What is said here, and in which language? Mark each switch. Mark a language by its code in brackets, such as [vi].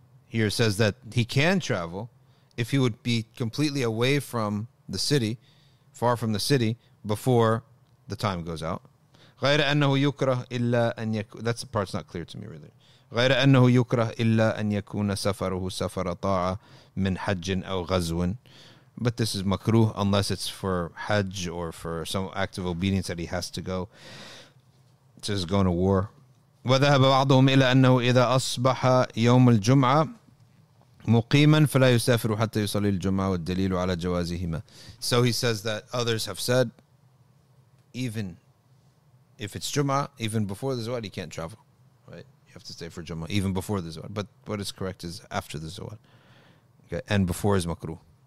[en] Here says that he can travel if he would be completely away from the city, far from the city, before the time goes out. [ar] غير أنه يكره إلا أن يكون. [en] That's the part's not clear to me really. [ar] غير أنه يكره إلا أن يكون سفره سفر طاعة من حج أو غزو. [en] But this is makruh unless it's for Hajj or for some act of obedience that he has to go. It says going to war. [ar] وذهب بعضهم إلى أنه إذا أصبح يوم الجمعة مقيما فلا يسافر حتى يصلي الجمعة والدليل على جوازهما. [en] So he says that others have said, even if it's Jum'ah, even before the Zawal, he can't travel, right? You have to stay for Jum'ah, even before the Zawal. But what is correct is after the Zawal. Okay, and before is makruh.